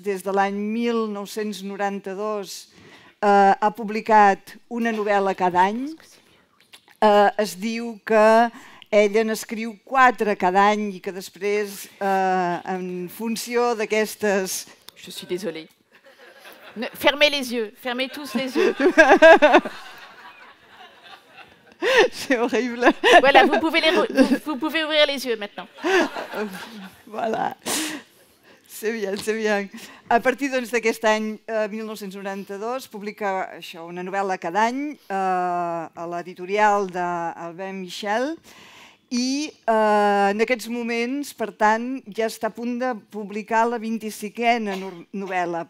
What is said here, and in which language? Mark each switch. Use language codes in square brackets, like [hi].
[ca] Des de l'any 1992 ha publicat una novel·la cada any. Es diu que ella n'escriu quatre cada any i que després, en funció d'aquestes... [fr] Je suis désolée. Ne, fermez les yeux, fermez tous les yeux. C'est horrible. Voilà, vous pouvez, vous pouvez ouvrir les yeux maintenant. Voilà. C'est bien, c'est bien. [ca] A partir doncs, d'aquest any 1992, publica això, una novel·la cada any a l'editorial d'Albin Michel. I en aquests moments, per tant, ja està a punt de publicar la 25a novel·la.